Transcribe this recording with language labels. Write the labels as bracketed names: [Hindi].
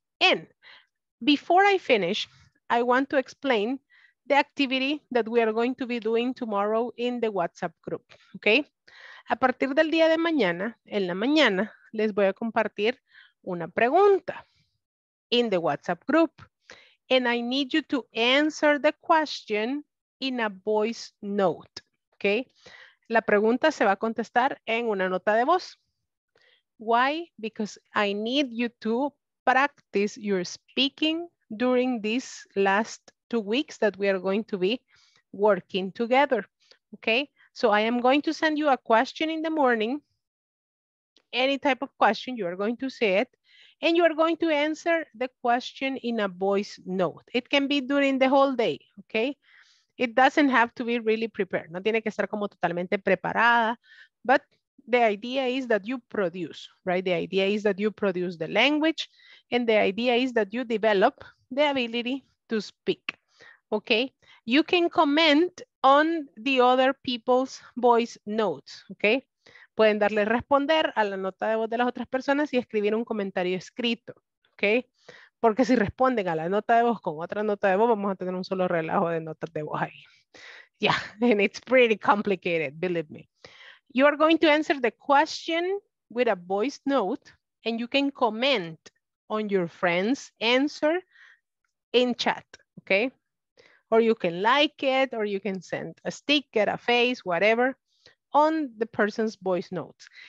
[English] And before I finish, I want to explain the activity that we are going to be doing tomorrow in the WhatsApp group, okay? [Spanish] A partir del día de mañana, en la mañana, les voy a compartir una pregunta [English] in the WhatsApp group. And I need you to answer the question in a voice note. [Spanish] Okay, la pregunta se va a contestar en una nota de voz. [English] Why? Because I need you to practice your speaking during these last 2 weeks that we are going to be working together. Okay, so I am going to send you a question in the morning. Any type of question, you are going to say it, and you are going to answer the question in a voice note. It can be during the whole day, okay? It doesn't have to be really prepared. [Spanish] No tiene que estar como totalmente preparada, [English] but the idea is that you produce, right? The idea is that you produce the language, and the idea is that you develop the ability to speak, okay? You can comment on the other people's voice notes, okay? [Spanish] Pueden darle responder a la nota de voz de las otras personas y escribir un comentario escrito, okay? Porque si responden a la nota de voz con otra nota de voz, vamos a tener un solo relajo de notas de voz ahí. [English] Yeah, and it's pretty complicated, believe me. You are going to answer the question with a voice note, and you can comment on your friend's answer in chat, okay? Or you can like it, or you can send a sticker, a face, whatever, on the person's voice notes.